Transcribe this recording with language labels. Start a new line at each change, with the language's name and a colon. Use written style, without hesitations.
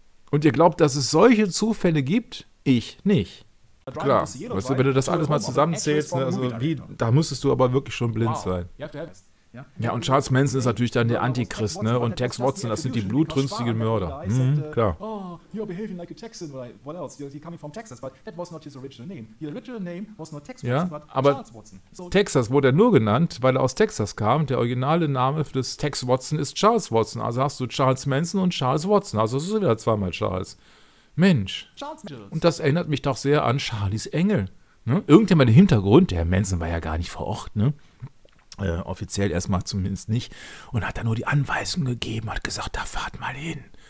German: Und ihr glaubt, dass es solche Zufälle gibt? Ich nicht. Klar, weißt du, wenn du das alles mal zusammenzählst, ne, also wie, da müsstest du aber wirklich schon blind sein. Ja, und Charles Manson ist natürlich dann der Antichrist, ne? Und Tex Watson, das sind die blutrünstigen Mörder. Mhm, klar.
English: Oh, you're behaving like a Texan, or what else? You're coming from Texas, but that was not his original name. His original name was not Tex Watson, but Charles Watson.
German: Texas wurde er nur genannt, weil er aus Texas kam. Der originale Name des Tex Watson ist Charles Watson. Also hast du Charles Manson und Charles Watson. Also es ist wieder zweimal Charles. Mensch, und das erinnert mich doch sehr an Charlies Engel. Ne? Irgendjemand im Hintergrund, der Manson war ja gar nicht vor Ort, ne? Offiziell erstmal zumindest nicht, und hat da nur die Anweisung gegeben, hat gesagt, da fahrt mal hin.